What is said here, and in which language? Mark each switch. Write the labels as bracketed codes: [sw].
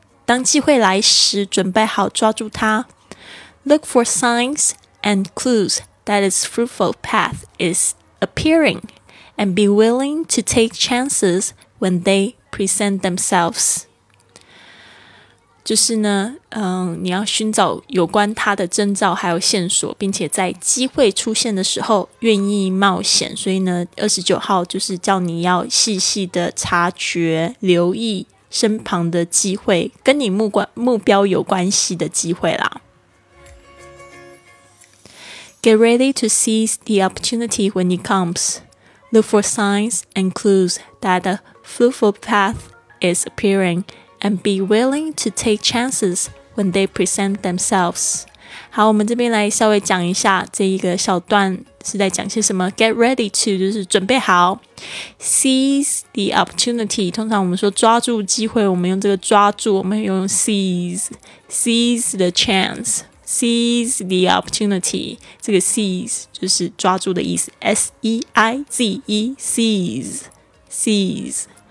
[zh] 当机会来时，准备好抓住它。 [en] Look for signs and clues that its fruitful path isappearing, and be willing to take chances when they present themselves. [zh] 就是呢，你要寻找有关它的征兆还有线索，并且在机会出现的时候愿意冒险。所以呢，29号就是叫你要细细的察觉，留意身旁的机会，跟你目标有关系的机会啦。 [en] Get ready to seize the opportunity when it comes. Look for signs and clues that a fruitful path is appearing, and be willing to take chances when they present themselves. [zh] 好，我们这边来稍微讲一下这一个小段是在讲些什么。 [en] Get ready to [zh] 就是准备好， [en] Seize the opportunity， [zh] 通常我们说抓住机会，我们用这个抓住，我们用 seize， [en] Seize the chance， Seize the opportunity， [zh] 这个 seize 就是抓住的意思， S-E-I-Z-E， Seize， Seize。